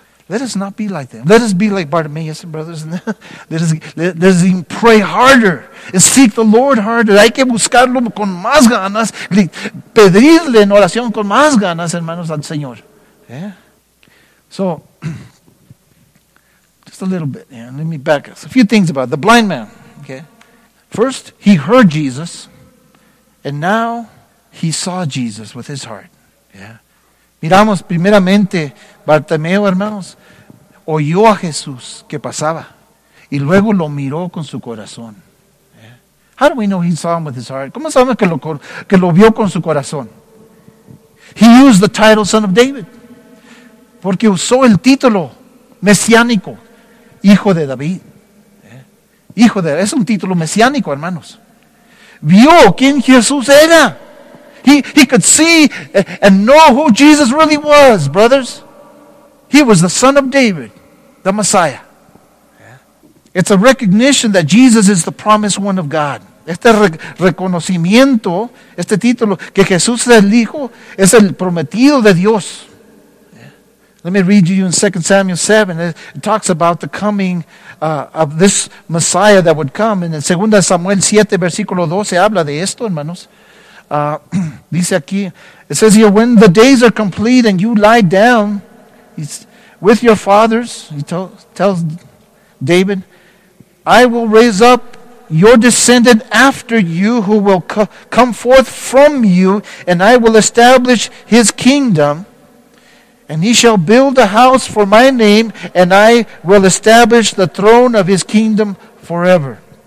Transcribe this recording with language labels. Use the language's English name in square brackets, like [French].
[English] Let us not be like them. Let us be like Bartimaeus and brothers. Let us even pray harder and seek the Lord harder. [Spanish] Hay que buscarlo con más ganas. Pedirle en oración con más ganas, hermanos, al Señor. [English] Yeah. So, just a little bit. Yeah. Let me back us. A few things about the blind man. Okay. First, he heard Jesus, and now he saw Jesus with his heart. Yeah. [Spanish] Miramos primeramente Bartimeo, hermanos, oyó a Jesús que pasaba y luego lo miró con su corazón. [English] How do we know he saw him with his heart? [Spanish] ¿Cómo sabemos que lo vio con su corazón? [English] He used the title Son of David [Spanish] porque usó el título mesiánico, Hijo de David. Hijo de, es un título mesiánico, hermanos. Vio quién Jesús era. [English] He could see and know who Jesus really was, brothers. He was the Son of David, the Messiah. Yeah. It's a recognition that Jesus is the promised one of God. [Spanish] Este reconocimiento, este título, que Jesús es el Hijo, es el prometido de Dios. [English] Yeah. Let me read you in 2 Samuel 7. It talks about the coming of this Messiah that would come. And in [Spanish] 2 Samuel 7, versículo 12, habla de esto, hermanos. Dice aquí, [English] it says here, when the days are complete and you lie down with your fathers, he tells David, I will raise up your descendant after you who will come forth from you, and I will establish his kingdom, and he shall build a house for my name, and I will establish the throne of his kingdom forever.